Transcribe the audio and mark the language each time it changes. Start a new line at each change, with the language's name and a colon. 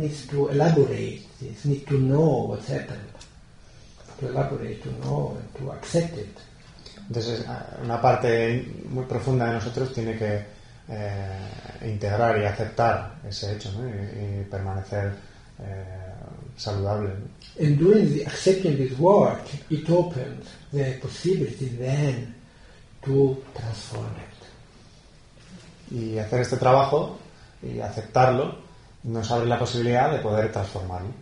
English: Needs to elaborate this, need to know what's happened. To elaborate, to know, and to accept it.
Spanish: Entonces, una parte muy profunda de nosotros tiene que integrar y aceptar ese hecho, ¿no? y permanecer saludable, ¿no?
English: And doing the accepting this work, it opens the possibility then to transform it.
Spanish: Y hacer este trabajo y aceptarlo nos abre la posibilidad de poder transformarlo.